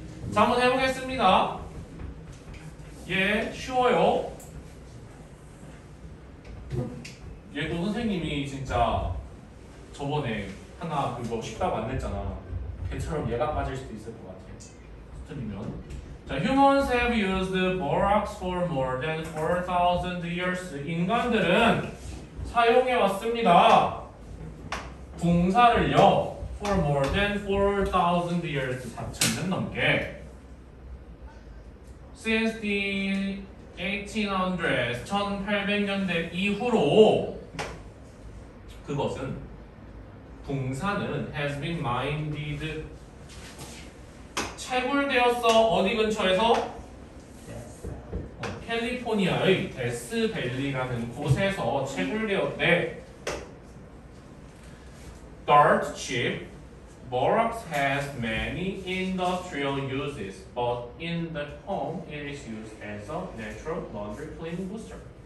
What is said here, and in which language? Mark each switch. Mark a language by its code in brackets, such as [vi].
[ko] 자, 한번 해보겠습니다. 예, 쉬워요. 얘도 선생님이 진짜 저번에 하나 그거 쉽다고 안 냈잖아. 걔처럼 얘가 빠질 수도 있을 것 같아. 선생님은. [en] 자, humans have used borax for more than 4,000 years. [ko] 인간들은 사용해왔습니다. 궁사를요, [en] for more than 4,000 years. [ko] 4,000년 넘게. [en] Since the 1800s, [ko] 1800년대 이후로 그것은 궁사는 [en] has been mined. [ko] 채굴되었어. 어디 근처에서? 캘리포니아의 데스밸리라는 곳에서 채굴되었대. [en] Dirt cheap. Borax has many industrial uses, but in the home it is used as a natural laundry cleaning booster.